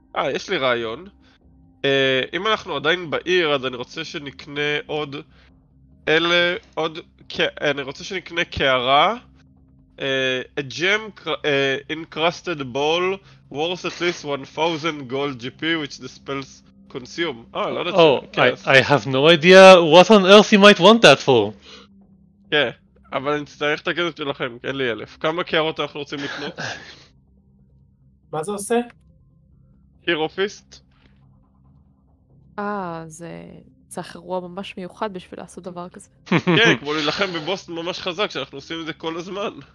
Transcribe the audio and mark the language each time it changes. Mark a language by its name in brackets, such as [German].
[Hebrew] יש לי רעיון. אם אנחנו עדיין בעיר, אז אני רוצה שנקנה עוד אלה, עוד, אני רוצה שנקנה קערה. [English] A gem encrusted ball worth at least 1000 gold GP which the spells consume. I have no idea what on earth you might want that for. [Hebrew] Yeah, אבל אני צריך את הכסף שלכם, אין לי אלף. כמה קערות אנחנו רוצים לקנות? מה זה עושה? [English] Hero Fist. [Hebrew] זה צריך אירוע ממש מיוחד בשביל לעשות דבר כזה. כן, כמו להילחם בבוס ממש חזק שאנחנו עושים את זה כל הזמן.